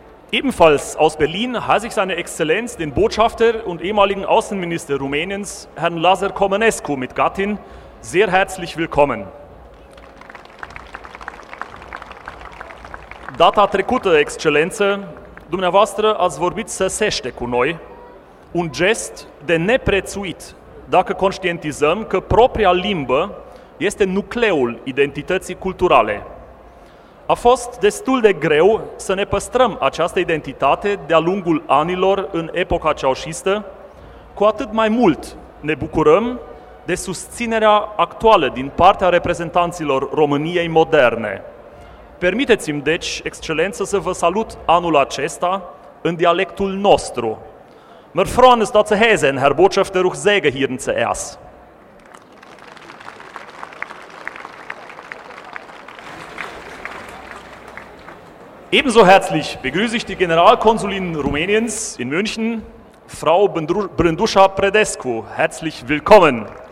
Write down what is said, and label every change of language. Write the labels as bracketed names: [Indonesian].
[German] Ebenfalls aus Berlin heiße ich seine Exzellenz, den Botschafter und ehemaligen Außenminister Rumäniens, Herrn Lazar Comănescu mit Gattin, sehr herzlich willkommen. [Romanian] Data trecută, Exzellenz, dumneavoastră ați vorbit săsește cu noi, un gest de neprețuit, dacă conștientizăm că propria limbă este nucleul identității culturale. A fost destul de greu să ne păstrăm această identitate de-a lungul anilor în epoca ceaușistă, cu atât mai mult ne bucurăm de susținerea actuală din partea reprezentanților României moderne. Permiteți-mi, deci, Excelență, să vă salut anul acesta în dialectul nostru. [German] Mir freuen uns, dass Sie hier sind, Herr Botschafter, auch sehr gehirn zuerst. Ebenso herzlich begrüße ich die Generalkonsulin Rumäniens in München, Frau Brândușa Predescu. Herzlich willkommen.